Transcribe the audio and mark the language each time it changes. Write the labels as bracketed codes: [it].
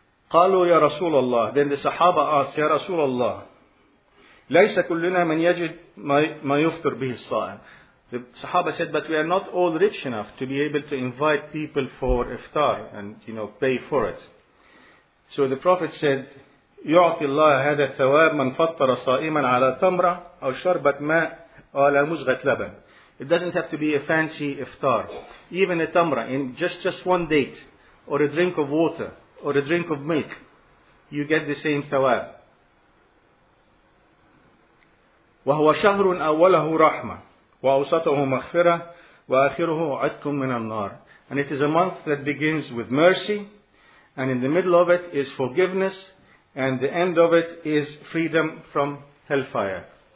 [ar] قالوا يا رسول الله [en] Then the Sahaba asked, [ar] يا رسول الله ليس كلنا من يجد ما يفطر به الصائم [en] The Sahaba said, but we are not all rich enough to be able to invite people for iftar and, you know, pay for it. So the Prophet said, [ar] يعطي الله هذا الثواب من فطر صائما على تمرة أو شربة ماء أو على مزغة لبن [en] It doesn't have to be a fancy iftar. Even a tamra, in just one date, or a drink of water, or a drink of milk, you get the same thawab. [ar] وَهُوَ شَهْرٌ أَوَّلَهُ رَحْمَةٌ وَأَوْسَطَهُ مَغْفِرَةٌ وَآخِرُهُ عَتْقٌ مِنَ النَّارِ [en] And it is a month that begins with mercy, and in the middle of it is forgiveness, and the end of it is freedom from hellfire.